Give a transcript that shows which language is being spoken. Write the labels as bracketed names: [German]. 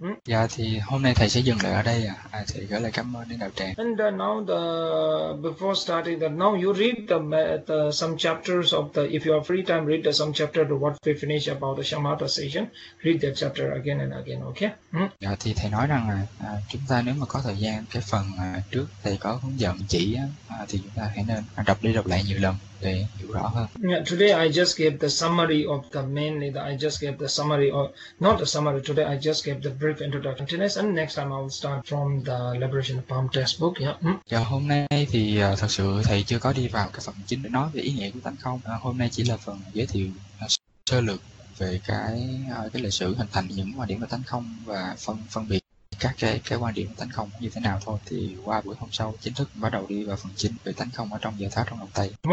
[Vietnamese] Yeah, thì hôm nay thầy sẽ dừng lại ở đây à. À, thầy gửi lời cảm ơn đến đạo tràng. [English] And now, before starting, now you read some chapters of the, if you have free time, read some chapter to what we finish about the Shamatha session. Read that chapter again and again, okay? [Vietnamese] Yeah, thì thầy nói rằng chúng ta nếu mà có thời gian, cái phần trước thầy có hướng dẫn chỉ, thì chúng ta hãy nên đọc đi đọc lại nhiều lần. [English] Yeah, today I just gave the summary of the mainly. Today I just gave the brief introduction to this, and next time I will start from the Liberation Palm textbook. Yeah. [Vietnamese] Dạ, hôm nay thì thật sự thầy chưa có đi vào cái phần chính để nói về ý nghĩa của tánh không. Hôm nay chỉ là phần giới thiệu sơ lược về cái lịch sử hình thành những quan điểm về tánh không và phân biệt các cái quan điểm tánh không như thế nào thôi. Thì qua buổi hôm sau chính thức bắt đầu đi vào phần chính về tánh không ở trong giải thoát trong lòng tay.